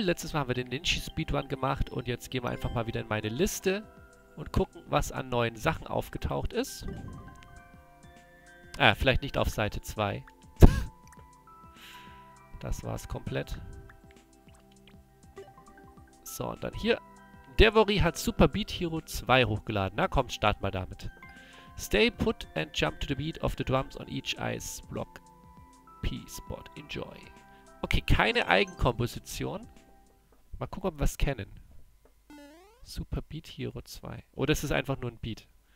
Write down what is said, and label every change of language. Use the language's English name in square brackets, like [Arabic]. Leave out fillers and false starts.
[German] Letztes Mal haben wir den Ninja Speedrun gemacht und jetzt gehen wir einfach mal wieder in meine Liste und gucken, was an neuen Sachen aufgetaucht ist. Vielleicht nicht auf Seite 2. Das war's komplett. So, und dann hier. Devory hat Super Beat Hero 2 hochgeladen. Na komm, start mal damit. [English] Stay put and jump to the beat of the drums on each ice block. P-Spot. Enjoy. [German] Okay, keine Eigenkomposition. Mal gucken, ob wir es kennen. Super Beat Hero 2. Oder ist es einfach nur ein Beat?